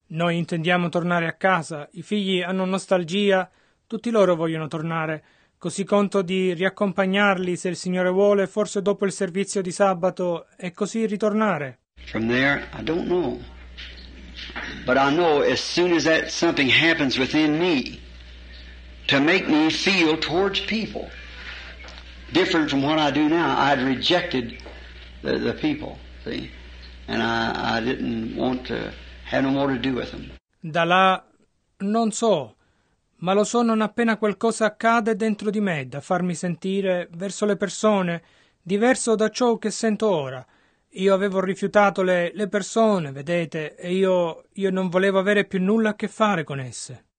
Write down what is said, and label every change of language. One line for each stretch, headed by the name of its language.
Italian: Noi intendiamo tornare a casa. I figli hanno nostalgia. Tutti loro vogliono tornare. Così conto di riaccompagnarli, se il Signore vuole, forse dopo il servizio di sabato, e così ritornare.
English: From there, I don't know. But I know as soon as that something happens within me to make me feel towards people different from what I do now, I'd rejected the people, see, and I didn't want to have no more to do with them.
Italian: Da là non so, ma lo so non appena qualcosa accade dentro di me da farmi sentire verso le persone diverso da ciò che sento ora. Io avevo rifiutato le persone, vedete, e io non volevo avere più nulla a che fare con esse.